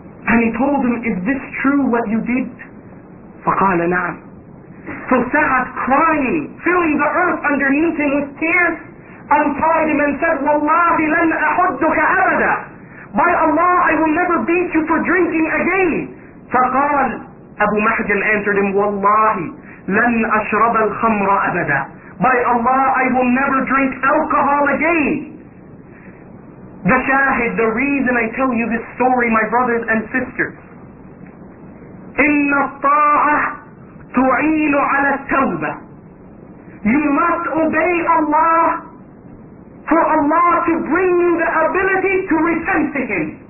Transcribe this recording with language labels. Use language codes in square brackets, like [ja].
[en] And he told him, is this true what you did? [ar] فَقَالَ نَعَمْ. [en] So Sa'd, crying, filling the earth underneath him with tears, untied him and said, [ar] وَاللَّهِ لَنْ أَحُدُّكَ أَبَدًا. [en] By Allah, I will never beat you for drinking again. [ar] فَقَالَ [en] Abu Mahjan answered him, [ar] وَاللَّهِ لَنْ أَشْرَبَ الْخَمْرَ أَبَدًا. [en] By Allah, I will never drink alcohol again. The shahid, the reason I tell you this story, my brothers and sisters, [ar] إِنَّ الطَّاعَةَ تُعِينُ عَلَى التَّوْبَةِ. [en] You must obey Allah for Allah to bring you the ability to return to Him.